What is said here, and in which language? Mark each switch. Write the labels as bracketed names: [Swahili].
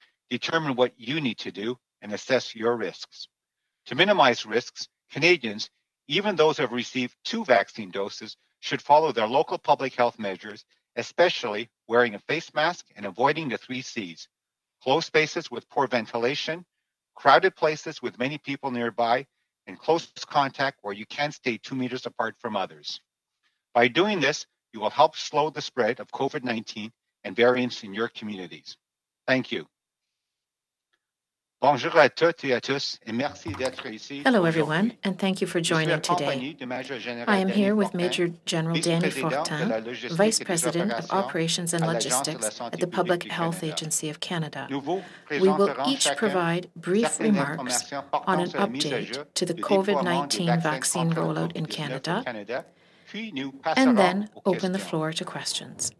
[English] Determine what you need to do and assess your risks. To minimize risks, Canadians, even those who have received two vaccine doses, should follow their local public health measures, especially wearing a face mask and avoiding the three C's: closed spaces with poor ventilation, crowded places with many people nearby, and close contact where you can't stay 2 meters apart from others. By doing this, you will help slow the spread of COVID-19 and variants in your communities. Thank you. [French] Bonjour à toutes et à tous, et merci d'être ici. [English] Hello, everyone, and thank you for joining today. I am here with Major General Dany Fortin, Vice President of Operations and Logistics at the Public Health Agency of Canada. We will each provide brief remarks on an update to the COVID-19 vaccine rollout in Canada, and then open the floor to questions.